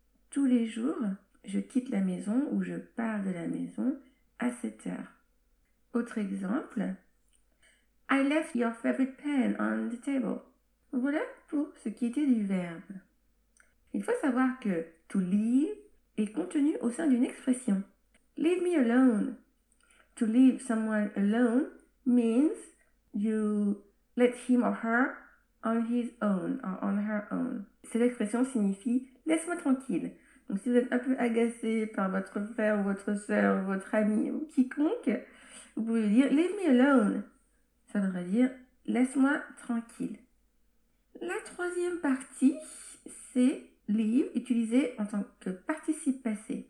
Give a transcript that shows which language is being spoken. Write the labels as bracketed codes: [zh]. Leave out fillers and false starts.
[fr] Tous les jours, je quitte la maison ou je pars de la maison à 7 heures. Autre exemple, [en] I left your favorite pen on the table. [fr] Voilà pour ce qui était du verbe. Il faut savoir que to leave est contenu au sein d'une expression. [en] Leave me alone. To leave someone alone means you let him or her on his own or on her own. [fr] Cette expression signifie laisse-moi tranquille. Donc si vous êtes un peu agacé par votre frère ou votre sœur ou votre ami ou quiconque, vous pouvez dire [en] leave me alone. [fr] Ça voudrait dire laisse-moi tranquille. La troisième partie, c'est leave utilisé en tant que participe passé.